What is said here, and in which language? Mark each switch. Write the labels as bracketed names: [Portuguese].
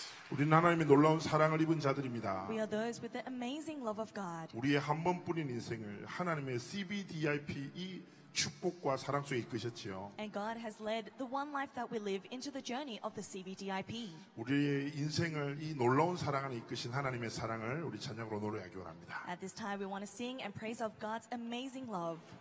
[Korean] 우리는 하나님의 놀라운 사랑을 입은 자들입니다. [English] We are those with the amazing love of God. [Korean] 우리의 한 번뿐인 인생을 하나님의 CBDIP이 축복과 사랑 속에 이끄셨지요. [English] And God has led the one life that we live into the journey of the CBDIP. [Korean] 우리의 인생을 이 놀라운 사랑 안에 이끄신 하나님의 사랑을 우리 찬양으로 노래하기 원합니다. [English] At this time, we want to sing and praise of God's amazing love.